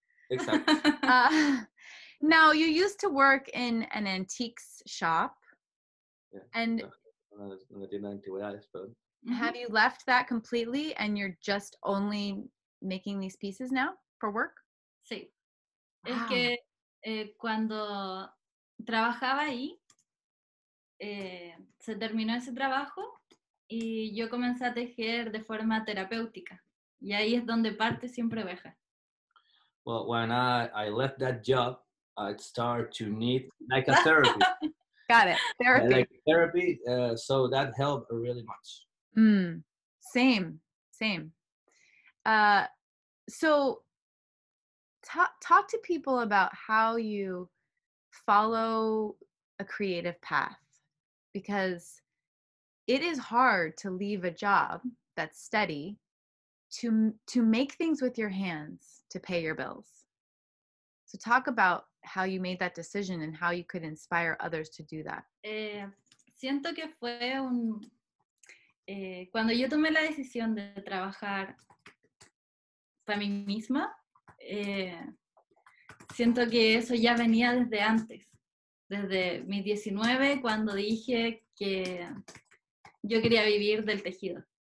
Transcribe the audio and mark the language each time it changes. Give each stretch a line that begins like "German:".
English: Exactly. Now, you used to work in an antiques shop. Yeah. And
Spanish: una tienda de antigüedades, perdón.
English: Have you left that completely and you're just only making these pieces now for work?
Spanish: Sí. Wow. Es que cuando trabajaba ahí, se terminó ese trabajo y yo comencé a tejer de forma terapéutica. Y ahí es donde parte siempre oveja.
English: Well, when I left that job, I started to knit like a therapy. Got it. Therapy. Like therapy. So that helped really much. Mm. Same. So... Talk to people about how you follow a creative path, because it is hard to leave a job that's steady to make things with your hands to pay your bills. So talk about how you made that decision and how you could inspire others to do that.
Spanish: Siento que fue un... cuando yo tomé la decisión de trabajar para mí misma, siento que eso ya venía desde antes, desde mis 19, cuando dije que yo quería vivir del tejido.